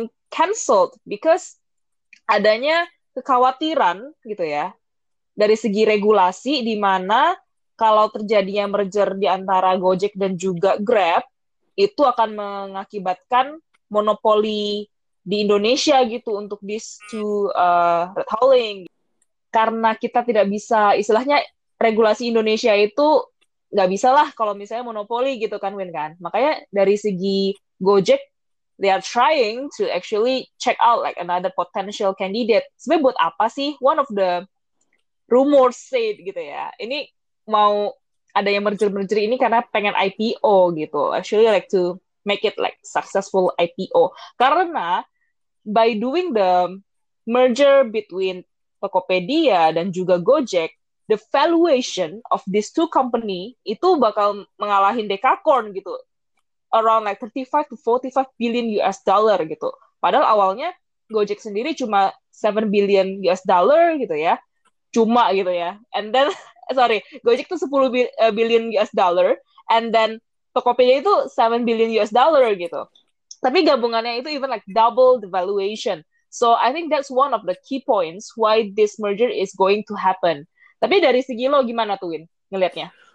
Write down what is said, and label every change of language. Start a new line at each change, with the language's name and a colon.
English: cancelled because
Indonesian: adanya kekhawatiran gitu ya, dari segi regulasi di mana kalau terjadinya merger di antara Gojek dan juga Grab, itu akan mengakibatkan monopoli di Indonesia gitu untuk
English: these two red hauling.
Indonesian: Karena kita tidak bisa, istilahnya regulasi Indonesia itu nggak bisa lah kalau misalnya monopoli gitu kan, Win, kan? Makanya dari segi Gojek,
English: they are trying to actually check out like another potential candidate.
Indonesian: Sebenarnya buat apa sih?
English: One of the rumors said
Indonesian: gitu ya. Ini mau ada yang merger-merger ini karena pengen IPO gitu.
English: Actually like to make it like successful IPO. Karena by doing the merger between Tokopedia dan juga Gojek, the valuation of these two company
Indonesian: itu bakal mengalahin Dekacorn gitu.
English: Around like 35 to 45 billion US dollar
Indonesian: gitu. Padahal awalnya Gojek sendiri cuma 7 billion US dollar gitu ya. Cuma gitu ya.
English: And then, sorry, Gojek tuh 10 billion US dollar. And then Tokopedia itu 7 billion US dollar gitu.
Indonesian: Tapi gabungannya itu
English: even like double the valuation. So I think that's one of the key points why this merger is going to happen.
Indonesian: Tapi dari segi lo gimana tuh, Win, ngelihatnya?